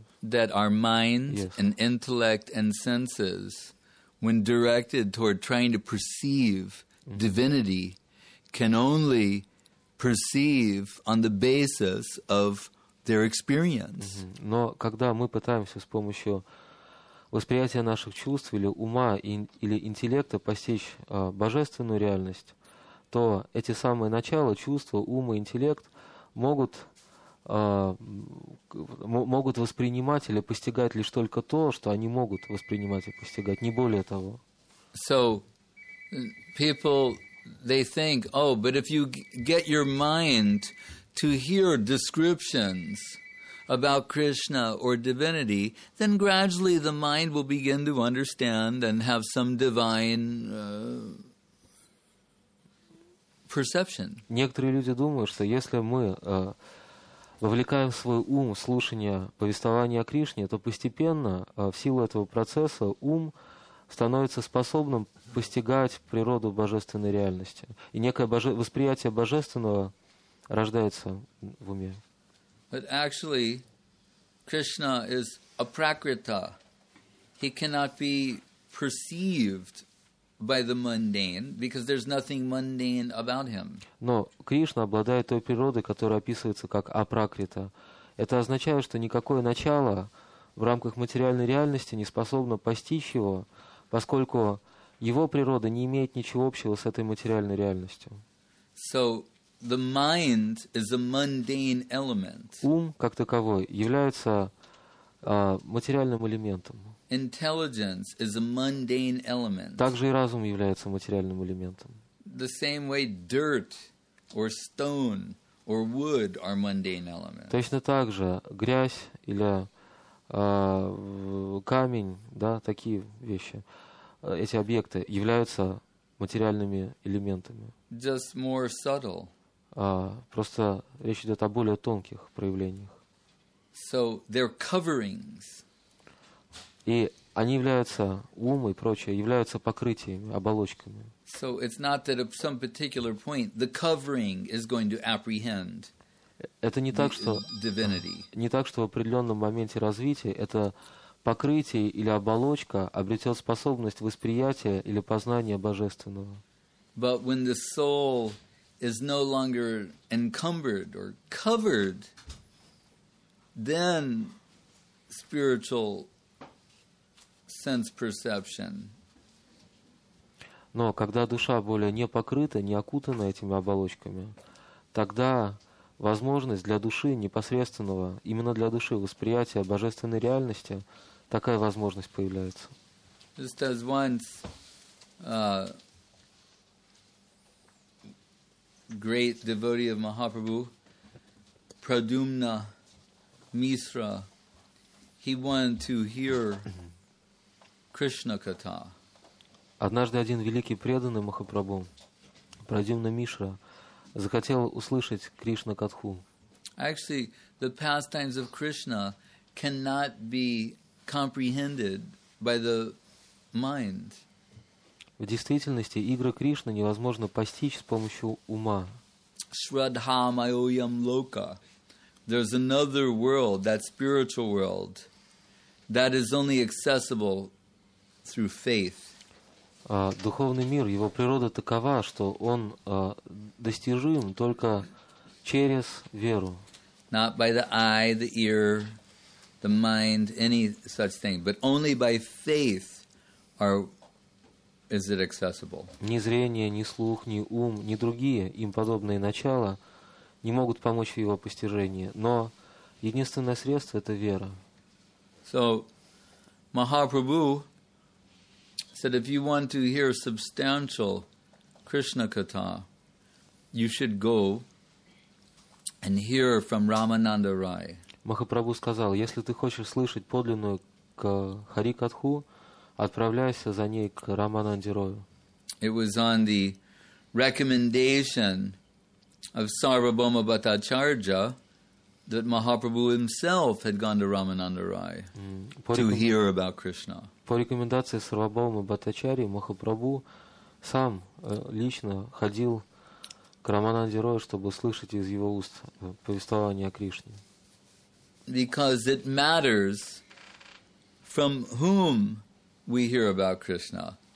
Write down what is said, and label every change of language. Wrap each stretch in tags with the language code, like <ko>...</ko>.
<en>That our mind and intellect and senses, when directed toward trying to perceive divinity, can only perceive on the basis of their experience.</en> <ru>Но когда мы пытаемся с помощью восприятия наших чувств или ума или интеллекта постичь божественную реальность, то эти самые начала, чувства, ум и интеллект могут воспринимать или постигать лишь только то, что они могут воспринимать и постигать, не более того.</ru> <en>So, people, they think, oh, but if you get your mind to hear descriptions about Krishna or divinity, then gradually the mind will begin to understand and have some divine perception.</en> <ru>Некоторые люди думают, что если мы вовлекаем в свой ум слушание повествования о Кришне, то постепенно, в силу этого процесса, ум становится способным постигать природу божественной реальности. И некое восприятие божественного рождается в уме.</ru> <en>But actually, Krishna is a prakrita. He cannot be perceived by the mundane, because there's nothing mundane about him.</en> <ru>Но Кришна обладает той природой, которая описывается как апракрита. Это означает, что никакое начало в рамках материальной реальности не способно постичь его, поскольку его природа не имеет ничего общего с этой материальной реальностью.</ru> <en>So the mind is a mundane element.</en> <ru>Ум как таковой является материальным элементом.</ru> <en>Intelligence is a mundane element.</en> <ru>Также и разум является материальным элементом.</ru> <en>The same way dirt or stone or wood are mundane elements.</en> <ru>Точно так же грязь или камень, да, такие вещи, эти объекты являются материальными элементами.</ru> <en>Just more subtle.</en> <ru>Просто речь идет о более тонких проявлениях.</ru> <en>So they're coverings.</en> <ru>И они являются, ум и прочее, являются покрытиями, оболочками.</ru> <en>So it's not that at some particular point the covering is going to apprehend divinity.</en> <ru>Это не так, что, в определенном моменте развития это покрытие или оболочка обретет способность восприятия или познания божественного.</ru> <en>But when the soul is no longer encumbered or covered, then spiritual sense perception.</en> <ru>Но когда душа более не покрыта, не окутана этими оболочками, тогда возможность для души непосредственного, именно для души восприятия божественной реальности, такая возможность появляется.</ru> <en>Just as once great devotee of Mahaprabhu, Pradyumna Misra, he wanted to hear Krishna katha.</en> <ru>Однажды один великий преданный Махапрабху, Прадюмна Мишра, захотел услышать Кришна катху.</ru> <en>Actually, the pastimes of Krishna cannot be comprehended by the mind.</en> <ru>В действительности, игры Кришны невозможно постичь с помощью ума.</ru> <sa>Shraddha mayoyam loka.</sa> <en>There's another world, that spiritual world, that is only accessible through faith.</en> <ru>Духовный мир, его природа такова, что он достижим только через веру.</ru> <en>Not by the eye, the ear, the mind, any such thing, but only by faith is it accessible.</en> <ru>Ни зрение, ни слух, ни ум, ни другие им подобные начала не могут помочь в его постижении, но единственное средство — это вера.</ru> <en>So, Mahaprabhu said, if you want to hear substantial Krishna katha, you should go and hear from Ramananda Rai.</en> <ru>Махапрабху сказал, если ты хочешь слышать подлинную Хари-катху, отправляйся за ней к Рамананде Раю.</ru> <en>It was on the recommendation of Sarvabhauma Bhattacharya that Mahaprabhu himself had gone to Ramananda Rai to hear about Krishna.</en> <ru>По рекомендации Сарвабхаумы Бхаттачарьи Махапрабху сам лично ходил к Рамананде Рою, чтобы слышать из его уст повествование о Кришне.</ru> <en>Because it matters from whom we hear about Krishna.</en>